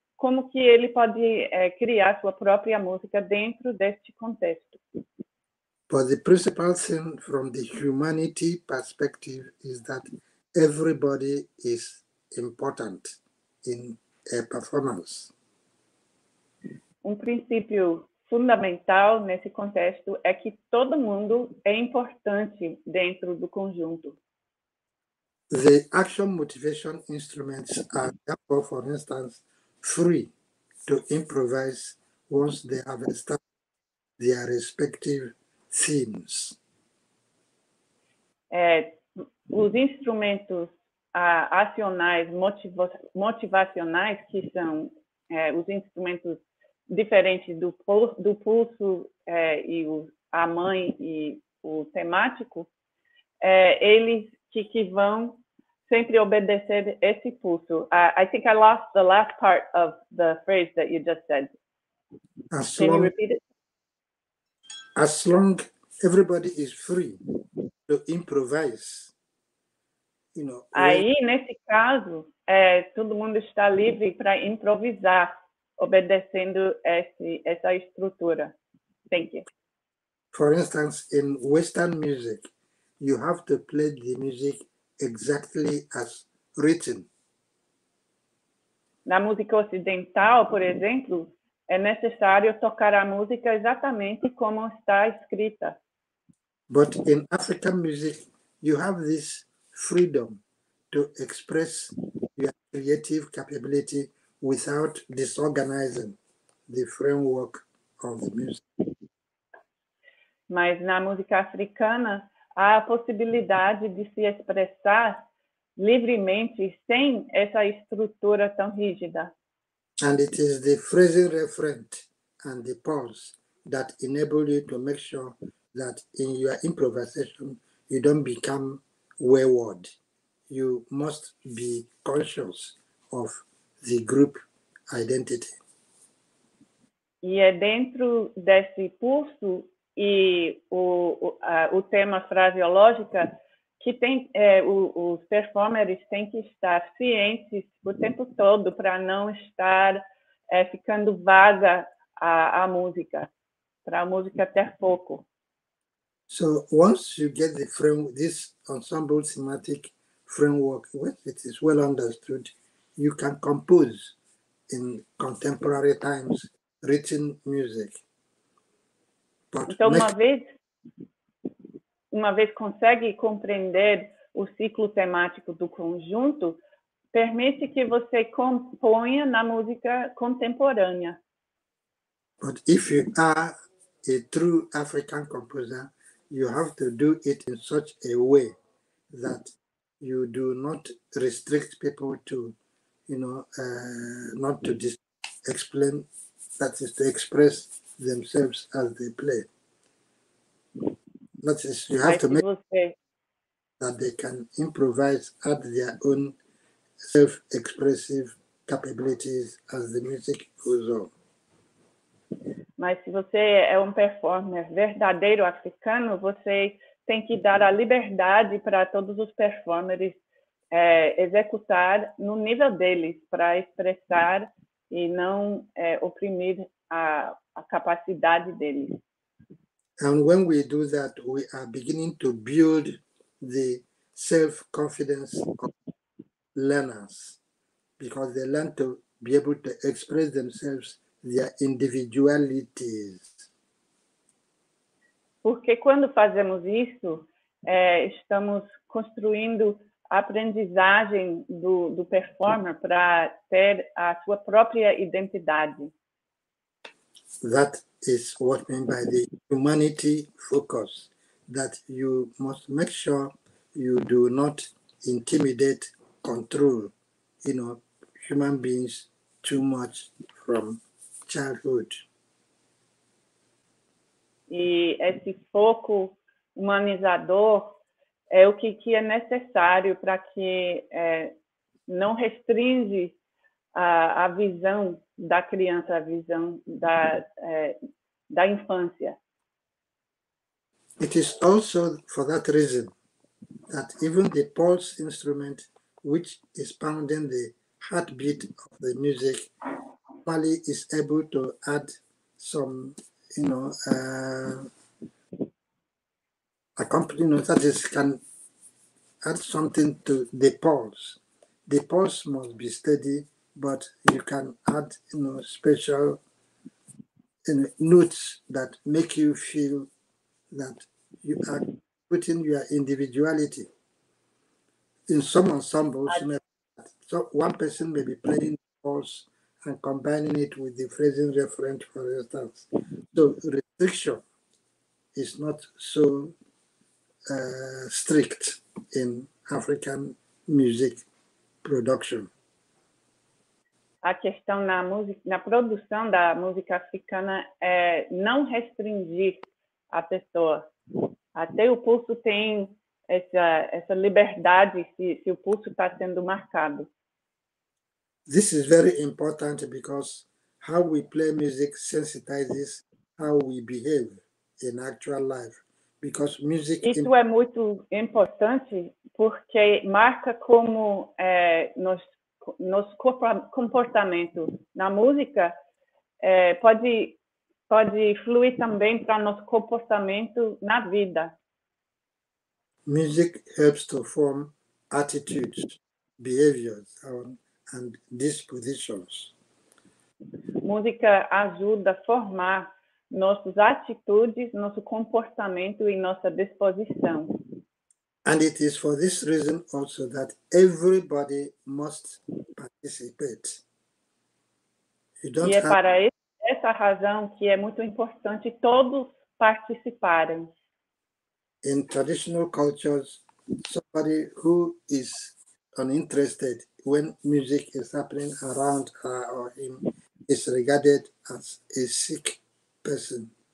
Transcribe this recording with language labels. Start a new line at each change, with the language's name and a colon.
Portuguese: como que ele pode criar sua própria música dentro deste contexto.
English: But the principal thing from the humanity perspective is that everybody is important in a performance.
Portuguese: Um princípio fundamental nesse contexto é que todo mundo é importante dentro do conjunto.
English: The action motivation instruments are therefore, for instance, free to improvise once they have established their respective themes.
Portuguese: Os instrumentos acionais motivacionais, que são os instrumentos diferentes do pulso e a mãe e o temático, eles que vão sempre obedecer esse pulso.
English: I think I lost the last part of the phrase that you just said. Can you repeat it? As long everybody is free to improvise, you know.
Portuguese: Aí, nesse caso, todo mundo está livre para improvisar, obedecendo essa estrutura.
English: Thank you. For instance, in Western music, you have to play the music exactly as written.
Portuguese: Na música ocidental, por exemplo, é necessário tocar a música exatamente como está escrita.
English: But in African music, you have this freedom to express your creative capability without disorganizing the framework of the music.
Portuguese: Mas na música africana há a possibilidade de se expressar livremente sem essa estrutura tão rígida.
English: And it is the phrasing referent and the pause that enable you to make sure that in your improvisation you don't become wayward. You must be conscious of the group identity.
Portuguese: E é dentro desse pulso e o tema fraseológica que tem os performers têm que estar cientes o tempo todo para não estar ficando vaga a música, para a música ter foco.
English: So once you get the this ensemble thematic framework, once it is well understood, you can compose in contemporary times written music.
Portuguese: Então, uma vez consegue compreender o ciclo temático do conjunto, permite que você componha na música contemporânea.
English: But if you are a true African composer, you have to do it in such a way that you do not restrict people to, you know, not to explain, that is to express themselves as they play. Notice, you have to make that they can improvise at their own self-expressive capabilities as the music goes on.
Portuguese: Mas se você é performer verdadeiro africano, você tem que dar a liberdade para todos os performers executar no nível deles, para expressar e não oprimir a capacidade deles.
English: And when we do that, we are beginning to build the self-confidence of learners, because they learn to be able to express themselves, their individualities.
Portuguese: Porque quando fazemos isso, estamos construindo aprendizagem do performer para ter a sua própria identidade.
English: That is what I mean by the humanity focus, that you must make sure you do not intimidate, control, you know, human beings too much from childhood.
Portuguese: E esse foco humanizador é o que é necessário para que não restringe a visão da criança, a visão da infância.
English: It is also for that reason that even the pulse instrument, which is pounding the heartbeat of the music, Pali is able to add some, you know, a company, you know, that is, can add something to the pulse. The pulse must be steady, but you can add, you know, special, you know, notes that make you feel that you are putting your individuality. In some ensembles, you know, so one person may be playing the pulse and combining it with the phrasing reference, for instance. So restriction is not so strict in African music production.
Portuguese: A questão na música, na produção da música africana é não restringir a pessoa. Até o pulso tem essa liberdade se o pulso está sendo marcado.
English: This is very important because how we play music sensitizes how we behave in actual life. Because music.
Portuguese: Isso é muito importante porque marca como nosso comportamento na música pode fluir também para nosso comportamento na vida.
English: Music helps to form attitudes, behaviors, and dispositions.
Portuguese: Música ajuda a formar nossas atitudes, nosso comportamento e nossa disposição.
English: And it is for this reason also that everybody must participate.
Portuguese: Para essa razão que é muito importante todos participarem.
English: In traditional cultures, somebody who is uninterested when music is happening around her or him is regarded as a sick person.